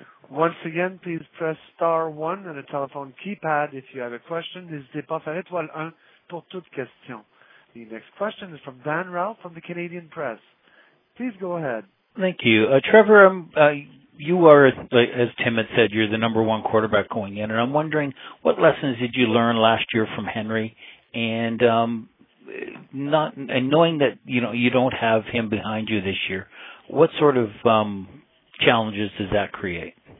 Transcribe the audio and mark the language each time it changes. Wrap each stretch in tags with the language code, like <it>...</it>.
<en>Once again, please press star 1 on the telephone keypad if you have a question.</en> <fr>N'hésitez pas à faire étoile 1 pour toute question.</fr> <en>The next question is from Dan Rao from the Canadian Press. Please go ahead. Thank you. Trevor, you are, as Tim had said, you're the number one quarterback going in, and I'm wondering what lessons did you learn last year from Henry, and knowing that you know you don't have him behind you this year, what sort of challenges does that create?</en>